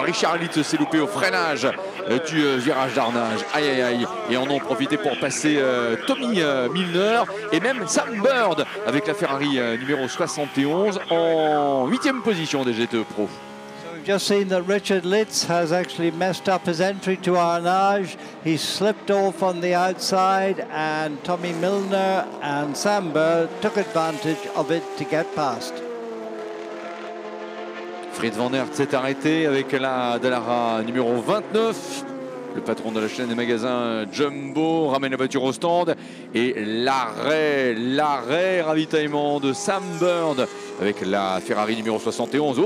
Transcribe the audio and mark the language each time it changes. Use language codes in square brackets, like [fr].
[fr] Richard Litz s'est loupé au freinage du virage d'arnage. Aïe, aïe, aïe. Et en ont profité pour passer Tommy Milner et même Sam Bird avec la Ferrari numéro 71 en 8e position des GTE Pro. [en] Just seen that Richard Litz has actually messed up his entry to Arnage. He slipped off on the outside and Tommy Milner and Sam Bird took advantage of it to get past. [fr] Fried Van Aert s'est arrêté avec la Dallara numéro 29. Le patron de la chaîne des magasins Jumbo ramène la voiture au stand et l'arrêt ravitaillement de Sam Bird avec la Ferrari numéro 71.